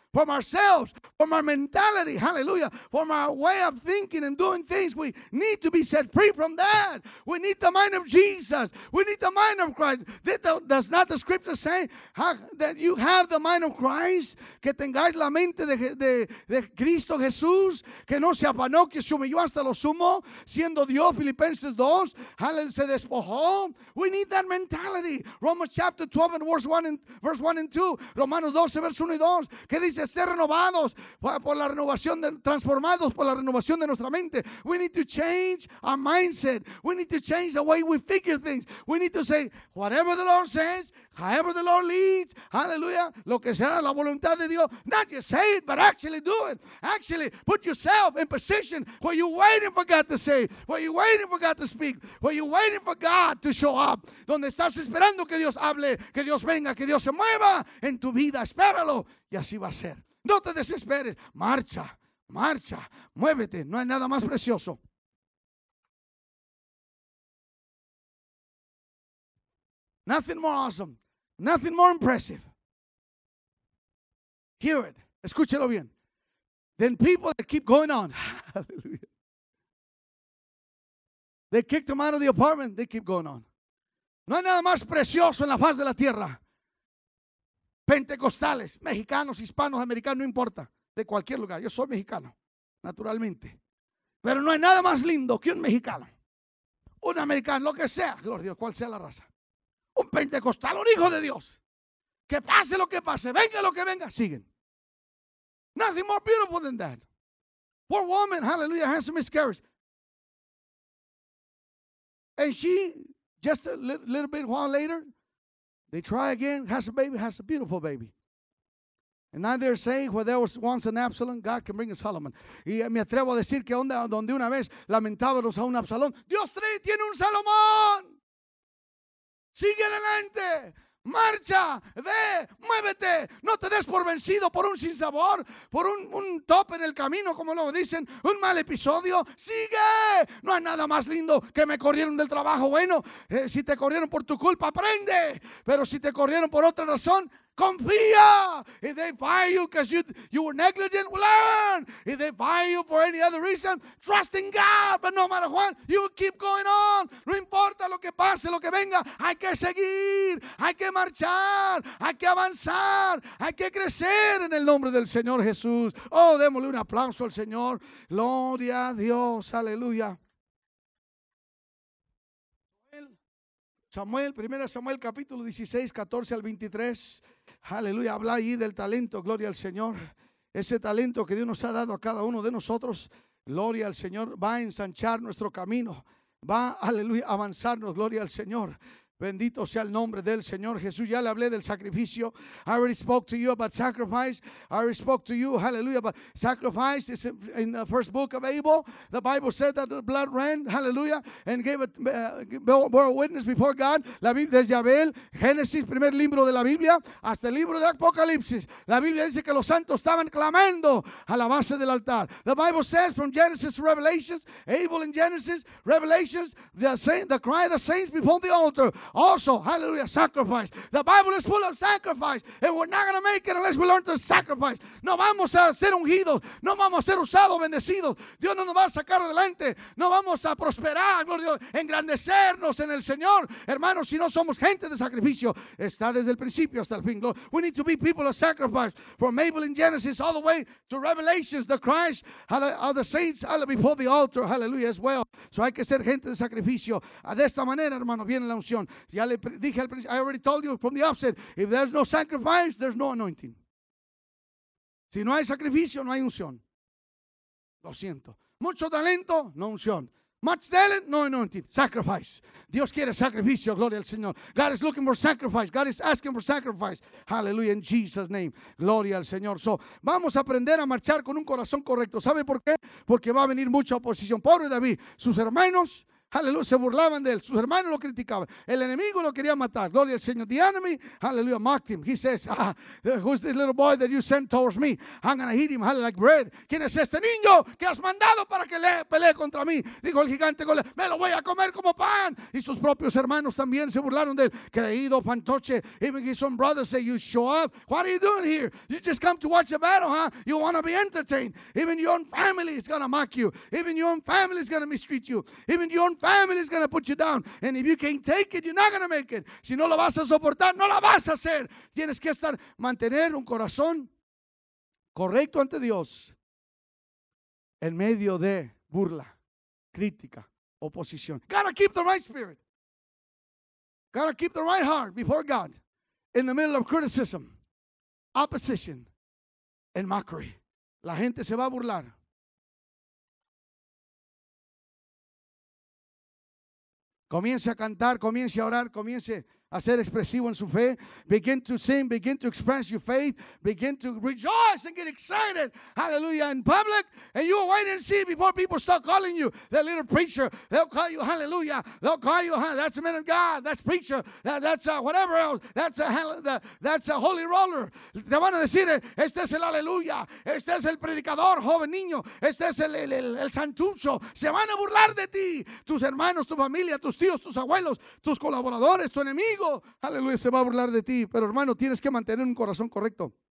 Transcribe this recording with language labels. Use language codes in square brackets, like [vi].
[en] from ourselves, from our mentality, hallelujah, from our way of thinking and doing things. We need to be set free from that. We need the mind of Jesus. We need the mind of Christ. Does not the scripture say that you have the mind of Christ? [es] Que tengáis la mente de Cristo Jesús, que no se apanó, que se humilló hasta lo sumo, siendo Dios, Filipenses 2, hallelujah, se despojó. [en] We need that mentality. Romans chapter 12 and verse 1 and 2. [es] Romanos 12, verse 1 y 2. Que dice ser renovados por la renovación, transformados por la renovación de nuestra mente. [en] We need to change our mindset. We need to change the way we figure things. We need to say, whatever the Lord says, however the Lord leads, hallelujah, [es] lo que sea la voluntad de Dios. [en] Not just say it, but actually do it. Actually put yourself in position where you're waiting for God to say, where you're waiting for God to speak, where you're waiting for God to show up. [es] Donde estás esperando que Dios hable, que Dios venga, que Dios se mueva en tu vida. Espéralo. Y así va a ser. No te desesperes. Marcha, marcha, muévete. No hay nada más precioso. [en] Nothing more awesome. Nothing more impressive. Hear it. [es] Escúchelo bien. [en] Then people that keep going on. Hallelujah. They kicked them out of the apartment. They keep going on. [es] No hay nada más precioso en la faz de la tierra. Pentecostales, mexicanos, hispanos, americanos, no importa, de cualquier lugar. Yo soy mexicano, naturalmente. Pero no hay nada más lindo que un mexicano, un americano, lo que sea, gloria a Dios, cual sea la raza. Un pentecostal, un hijo de Dios. Que pase lo que pase, venga lo que venga, siguen. [en] Nothing more beautiful than that. Poor woman, hallelujah, has a miscarriage. And she, just a little bit while later, they try again, has a baby, has a beautiful baby. And now they're saying, where there was once an Absalom, God can bring a Solomon. [es] Y me atrevo a decir que donde una vez lamentábamos a un Absalón, Dios tiene un Salomón. Sigue adelante, marcha, ve, muévete. No te des por vencido por un sinsabor, por un tope en el camino, como lo dicen, un mal episodio. Sigue. No hay nada más lindo que me corrieron del trabajo. Bueno, si te corrieron por tu culpa, aprende. Pero si te corrieron por otra razón, confía. [en] If they fire you because you were negligent, learn. If they fire you for any other reason, trust in God. But no matter what, you keep going on. [es] No importa lo que pase, lo que venga, hay que seguir, hay que marchar, hay que avanzar, hay que crecer en el nombre del Señor Jesús. Oh, démosle un aplauso al Señor. Gloria a Dios. Aleluya. Samuel, 1 Samuel capítulo 16, 14 al 23. Aleluya, habla ahí del talento, gloria al Señor. Ese talento que Dios nos ha dado a cada uno de nosotros, gloria al Señor, va a ensanchar nuestro camino. Va, aleluya, a avanzarnos, gloria al Señor. Bendito sea el nombre del Señor Jesús. Ya le hablé del sacrificio. [en] I already spoke to you about sacrifice. I already spoke to you, hallelujah, about sacrifice. It's in the first book of Abel. The Bible said that the blood ran, hallelujah, and gave bore a witness before God. [es] La Biblia, desde Abel, Génesis, primer libro de la Biblia, hasta el libro de Apocalipsis. La Biblia dice que los santos estaban clamando a la base del altar. [en] The Bible says from Genesis to Revelation, Abel in Genesis, Revelations, the cry of the saints before the altar. Also, hallelujah, sacrifice. The Bible is full of sacrifice. And we're not going to make it unless we learn to sacrifice. [es] No vamos a ser ungidos. No vamos a ser usados, bendecidos. Dios no nos va a sacar adelante. No vamos a prosperar, gloria a Dios, engrandecernos en el Señor. Hermanos, si no somos gente de sacrificio, está desde el principio hasta el fin. [en] We need to be people of sacrifice. From Abel in Genesis all the way to Revelations, the Christ of the saints before the altar, hallelujah, as well. [es] So hay que ser gente de sacrificio. De esta manera, hermano, viene la unción. Ya le dije al principio, [en] I already told you from the outset, if there's no sacrifice, there's no anointing. [es] Si no hay sacrificio, no hay unción. Lo siento. Mucho talento, no unción. [en] Much talent, no anointing. Sacrifice. [es] Dios quiere sacrificio, gloria al Señor. [en] God is looking for sacrifice. God is asking for sacrifice. Hallelujah, in Jesus' name. [es] Gloria al Señor. So, vamos a aprender a marchar con un corazón correcto. ¿Sabe por qué? Porque va a venir mucha oposición. Pobre David, sus hermanos, Aleluya, se burlaban de él. Sus hermanos lo criticaban. El enemigo lo quería matar. Gloria al Señor. [en] The enemy, aleluya, mocked him. He says, ah, who's this little boy that you sent towards me? I'm going to eat him, hallelujah, like bread. [es] ¿Quién es este niño que has mandado para que pelee contra mí? Dijo el gigante, me lo voy a comer como pan. Y sus propios hermanos también se burlaron de él. Creído fantoche. [en] Even his own brothers say, you show up. What are you doing here? You just come to watch the battle, huh? You want to be entertained. Even your own family is going to mock you. Even your own family is going to mistreat you. Even your family is going to put you down, and if you can't take it, you're not going to make it. [es] Si no lo vas a soportar, no la vas a hacer. Tienes que estar, mantener un corazón correcto ante Dios en medio de burla, crítica, oposición. [en] Gotta keep the right spirit. Gotta keep the right heart before God in the middle of criticism, opposition, and mockery. [es] La gente se va a burlar. Comience a cantar, comience a orar, comience a ser expresivo en su fe. [en] Begin to sing, begin to express your faith. Begin to rejoice and get excited, hallelujah, in public. And you'll wait and see before people start calling you the little preacher. They'll call you, hallelujah. They'll call you, that's a man of God. That's preacher. That's whatever else. That's a holy roller. [es] Te van a decir, este es el aleluya. Este es el predicador, joven niño. Este es el santucho. Se van a burlar de ti. Tus hermanos, tu familia, tus tíos, tus abuelos, tus colaboradores, tu enemigo. Aleluya, se va a burlar de ti, pero hermano, tienes que mantener un corazón correcto.